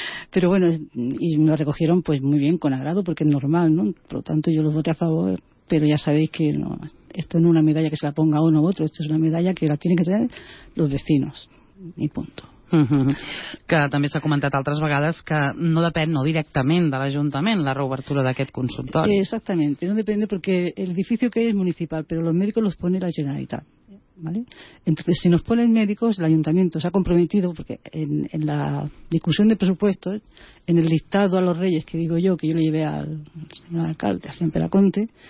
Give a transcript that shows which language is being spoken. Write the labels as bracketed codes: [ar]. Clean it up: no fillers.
[es] Pero bueno, y lo recogieron pues muy bien, con agrado, porque es normal, ¿no? Por lo tanto, yo los voté a favor. Pero ya sabéis que no, esto no es una medalla que se la ponga uno u otro, esto es una medalla que la tienen que tener los vecinos, y punto. [ca] Que també s'ha comentat altres vegades que no depèn, no directament, de l'Ajuntament la reobertura d'aquest consultori. [es] Exactamente, no depende porque el edificio que hay es municipal, pero los médicos los pone la Generalitat. ¿Vale? Entonces, si nos ponen médicos, el ayuntamiento se ha comprometido, porque en la discusión de presupuestos, en el listado a los reyes que digo yo, que yo le llevé al señor alcalde, a Sempre Aconte,